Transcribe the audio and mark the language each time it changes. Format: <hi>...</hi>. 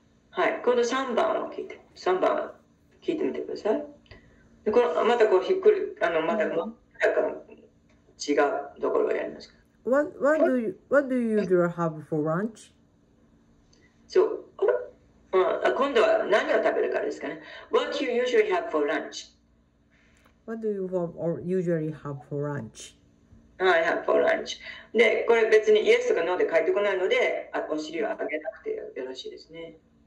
<ja>はい、今度3番を聞いてみてください。でこのまたこうひっくりまた違うところがやりますか。</ja> <en>What do you have for lunch? So,</en> <ja>今度は何を食べるかですかね。</ja> <en>What do you usually have for lunch? What do you have or usually have for lunch? I have for lunch.</en> <ja>で、これ別に Yes とか No で書いてこないので、お尻を上げなくてよろしいですね。</ja>